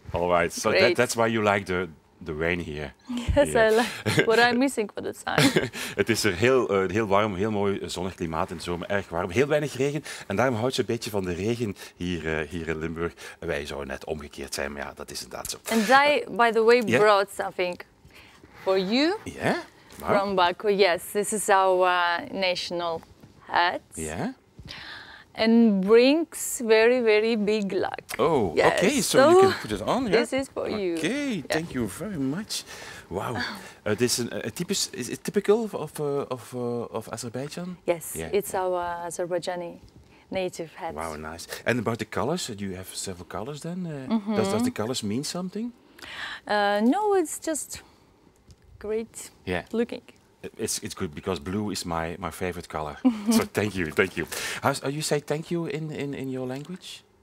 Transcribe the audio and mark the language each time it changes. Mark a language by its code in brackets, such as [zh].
[en] All right, so that's why you like the rain here. Yes, yeah. I like what I'm missing for the sun. [nl] Het is er heel warm, heel mooi zonnig klimaat in de zomer, erg warm, heel weinig regen, en daarom houdt ze een beetje van de regen hier in Limburg. Wij zouden net omgekeerd zijn, maar ja, dat is inderdaad zo. [en] And I, by the way, brought something for you. Yeah. Wow. From Baku, yes. This is our national hat. Yeah. And brings very, very big luck. Oh, yes. Okay. So you can put it on. This is for you. Okay. Yeah. Thank you very much. Wow. [nl] Het is een typisch, [en] is it typical of Azerbaijan? Yes, yeah. It's our Azerbaijani native hat. Wow, nice. And about the colors, do you have several colors then? Does the colors mean something? No, it's just great looking. It's good because blue is my favorite color. So thank you. How you say thank you in your language?